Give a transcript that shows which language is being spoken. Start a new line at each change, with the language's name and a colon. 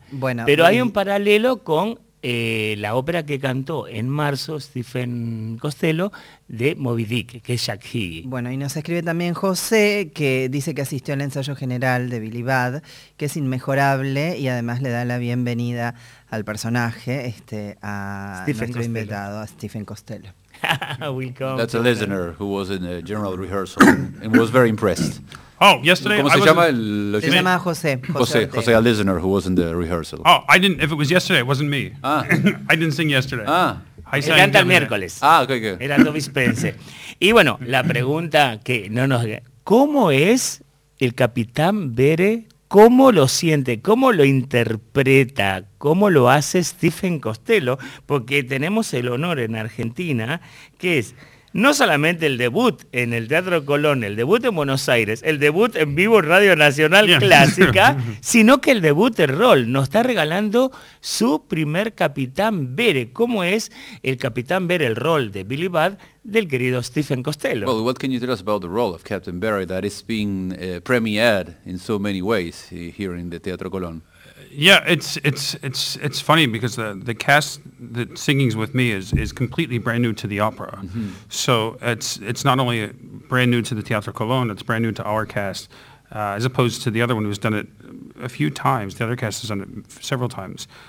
Spanish: Bueno, pero hay un paralelo con la ópera que cantó en marzo Stephen Costello de Moby Dick, que es Jack Higgy. Bueno, y nos escribe también José, que dice que asistió al ensayo general de Billy Budd, que es inmejorable y además le da la bienvenida al personaje, a Stephen nuestro Costello. Invitado, a Stephen Costello.
English: Welcome. That's a listener who was in the general rehearsal and was very impressed. Oh, yesterday.
Spanish: ¿Cómo se llama José.
English: José, a listener who was in the rehearsal. Oh, I didn't. If it was yesterday, it wasn't me. Ah. I didn't sing yesterday. Ah. I sang
Spanish: el miércoles.
English: Ah, okay.
Spanish: Era Toby Spence. Y bueno, la pregunta que no nos. ¿Cómo es el Capitán Bere? ¿Cómo lo siente? ¿Cómo lo interpreta? ¿Cómo lo hace Stephen Costello? Porque tenemos el honor en Argentina, que es no solamente el debut en el Teatro Colón, el debut en Buenos Aires, el debut en vivo Radio Nacional Clásica, sino que el debut en rol. Nos está regalando su primer Capitán Bere. ¿Cómo es el Capitán Bere, el rol de Billy Budd, del querido Stephen Costello?
English: Well, what can you tell us about the role of Captain Bere that is being premiered in so many ways here in the Teatro Colón? Yeah, it's funny because the cast that singing's with me is completely brand new to the opera. Mm-hmm. So it's not only brand new to the Teatro Colón, it's brand new to our cast, as opposed to the other one who's done it a few times. The other cast has done it several times.